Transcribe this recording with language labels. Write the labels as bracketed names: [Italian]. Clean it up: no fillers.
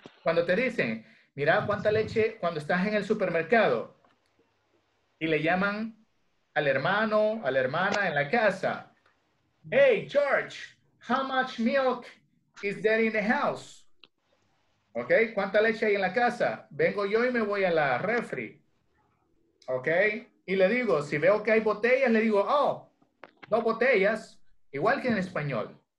[Spanish] Cuando te dicen, mira cuánta leche, cuando estás en el supermercado y le llaman al hermano, a la hermana en la casa. [English] Hey, George, how much milk is there in the house? [Spanish] Okay, ¿cuánta leche hay en la casa? Vengo yo y me voy a la refri. Ok, y le digo, si veo que hay botellas, le digo, oh, 2 botellas, igual que en español.